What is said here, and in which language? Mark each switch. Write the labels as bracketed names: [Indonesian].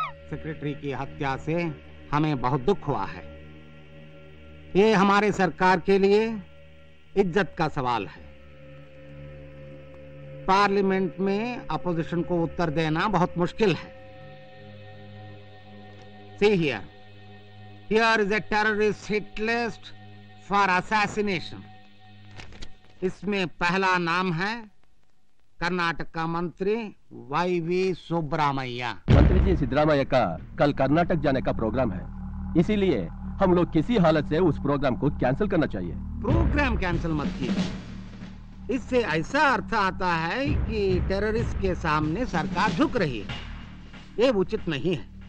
[Hindi] Secretary की हत्या से हमें बहुत दुख हुआ है। यह हमारे सरकार के लिए इज्जत का सवाल है। पार्लियामेंट में अपोजिशन को उत्तर देना बहुत मुश्किल है। [English] See here, here is a terrorist hit list for assassination. [Hindi] इसमें पहला नाम है कर्नाटक का मंत्री वाईवी सुब्रमण्यम। मंत्री जी, सिद्धरामय्या का कल कर्नाटक जाने का प्रोग्राम है, इसीलिए हम लोग किसी हालत से उस प्रोग्राम को कैंसिल करना चाहिए। प्रोग्राम कैंसिल मत कीजिए, इससे ऐसा अर्थ आता है कि टेररिस्ट के सामने सरकार झुक रही है, ये उचित नहीं है।